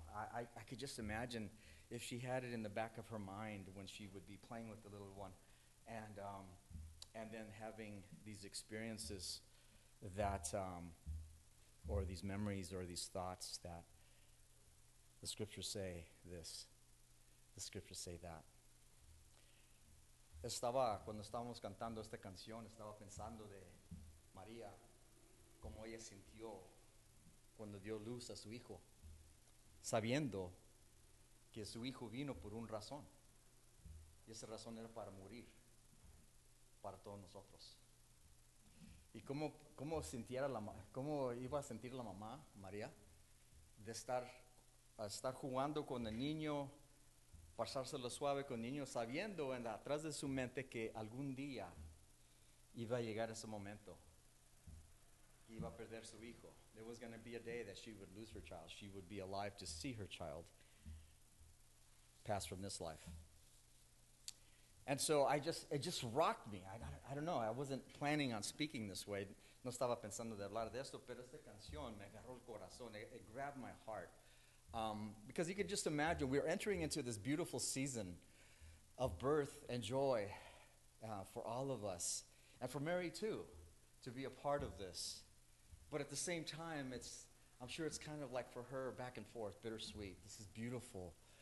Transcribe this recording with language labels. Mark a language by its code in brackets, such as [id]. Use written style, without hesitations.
[en] I could just imagine if she had it in the back of her mind when she would be playing with the little one and then having these experiences that, or these memories or these thoughts that the scriptures say this. The scriptures say that. [es] Estaba, cuando estábamos cantando esta canción, estaba pensando de María, cómo ella sintió cuando dio luz a su hijo, sabiendo que su hijo vino por un razón. Y esa razón era para morir, para todos nosotros. Y cómo sintiera la, cómo iba a sentir la mamá, María, de estar jugando con el niño, pasárselo suave con niños, sabiendo en la, atrás de su mente que algún día iba a llegar ese momento. Iba a perder su hijo. [en] There was going to be a day that she would lose her child. She would be alive to see her child pass from this life. And so I just, it just rocked me. I don't know. I wasn't planning on speaking this way. [es] No estaba pensando de hablar de esto, pero esta canción me agarró el corazón. [en] It grabbed my heart. Because you could just imagine, we're entering into this beautiful season of birth and joy for all of us, and for Mary too, to be a part of this. But at the same time, I'm sure it's kind of like for her, back and forth, bittersweet. This is beautiful.